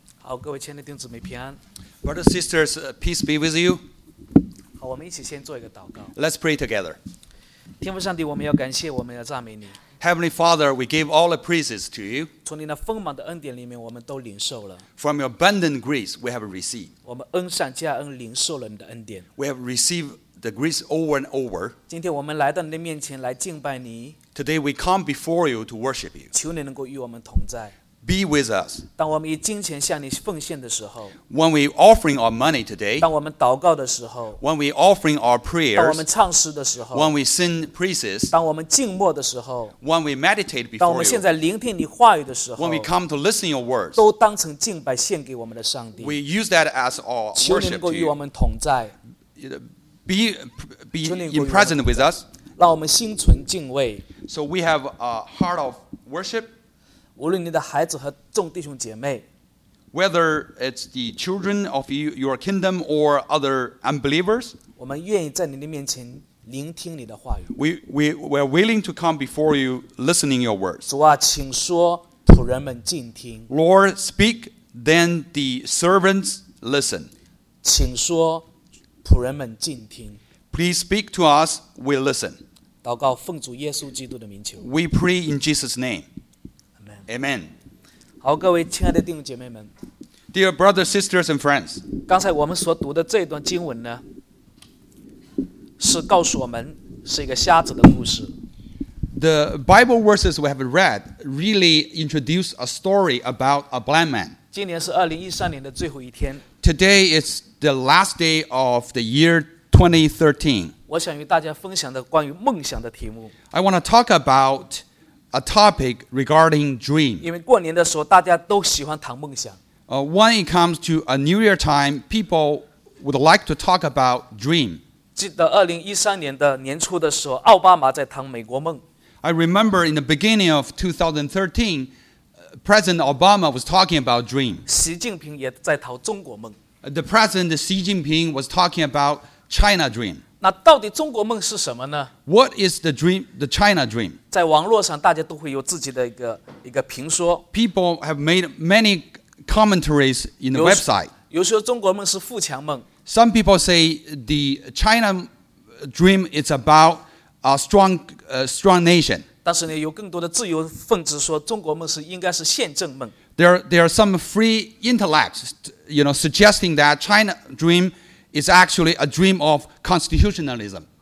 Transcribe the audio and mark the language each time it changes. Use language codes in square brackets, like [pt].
[zh] Oh, 各位亲爱的弟兄姊妹平安。 [en] Brothers and sisters, peace be with you. [zh] 好，我们一起先做一个祷告。 [en] Let's pray together. [zh] 天父上帝，我们要感谢，我们要赞美你。 [en] Heavenly Father, we give all the praises to you. [zh] 从你那丰满的恩典里面，我们都领受了。 [en] From your abundant grace, we have received. [zh] 我们恩上加恩，领受了你的恩典。 [en] We have received the grace over and over. [zh] 今天我们来到你的面前来敬拜你。 [en] Today we come before you to worship you. [zh] 求你能够与我们同在。 [en] Be with us. [zh] 当我们以金钱向你奉献的时候。 [en] When we offering our money today. [zh] 当我们祷告的时候。 [en] When we offering our prayers. [zh] 当我们唱诗的时候。 [en] When we sing praises. [zh] 当我们静默的时候。 [en] When we meditate before you. [zh] 当我们现在聆听你话语的时候。 [en] When we come to listen your words. [zh] 都当成敬拜献给我们的上帝。 [en] We use that as our worship to you. [zh] 求你能够与我们同在。 [en] Be in present with us. [zh] 让我们心存敬畏。 [en] So we have a heart of worship. [zh] 无论你的孩子和众弟兄姐妹 [en] ，whether it's the children of your kingdom or other unbelievers， [zh] 我们愿意在你的面前聆听你的话语。 [en] We are willing to come before you, listening your words。 [zh] 主啊，请说，仆人们静听。 [en] Lord, speak, then the servants listen. [zh] 请说，仆人们静听。 [en] Please speak to us, we listen. [zh] 祷告奉主耶稣基督的名求。 [en] We pray in Jesus' name. Amen. Amen. [zh] 好，各位亲爱的弟兄姐妹们。 [en] Dear brothers, sisters, and friends. [zh] 刚才我们所读的这段经文呢，是告诉我们是一个瞎子的故事。 [en] The Bible verses we have read really introduce a story about a blind man. [zh] 今年是2013年的最后一天。 [en] Today is the last day of the year 2013. [zh] 我想与大家分享的关于梦想的题目。 [en] I want to talk about a topic regarding dream. [zh] 因为过年的时候大家都喜欢谈梦想。 [en] When it comes to a New Year time, people would like to talk about dream. [zh] 记得2013年的年初的时候，奥巴马在谈美国梦。 [en] I remember in the beginning of 2013, President Obama was talking about dream. [zh] 习近平也在谈中国梦。 [en] The President Xi Jinping was talking about China dream. [zh] 那到底中国梦是什么呢？ [en] What is the dream, the China dream? [zh] 在网络上大家都会有自己的一个评说。 [en] People have made many commentaries in the website. [zh] 有时候中国梦是富强梦。 [en] Some people say the China dream is about a strong, strong nation. [zh] 但是呢，有更多的自由分子说中国梦是应该是宪政梦。 [en] There are some free intellects, you know, suggesting that China dream is actually a dream of constitutionalism.